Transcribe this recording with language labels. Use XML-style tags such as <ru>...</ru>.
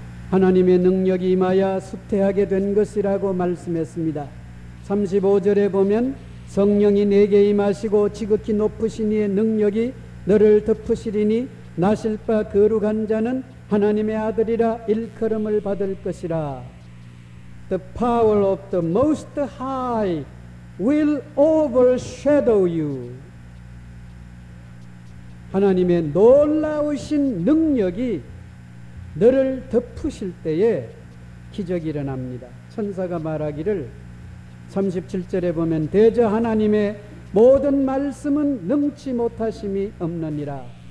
<ko>하나님의 능력이 임하여 수태하게 된 것이라고 말씀했습니다. 35절에 보면 성령이 내게 임하시고 지극히 높으신 이의 능력이 너를 덮으시리니 나실 바 거룩한 자는 하나님의 아들이라 일컬음을 받을 것이라.</ko> <en>The power of the most high will overshadow you.</en> <ko>하나님의 놀라우신 능력이 너를 덮으실 때에 기적이 일어납니다. 천사가 말하기를 37절에 보면 대저 하나님의 모든 말씀은 능치 못하심이 없느니라.</ko>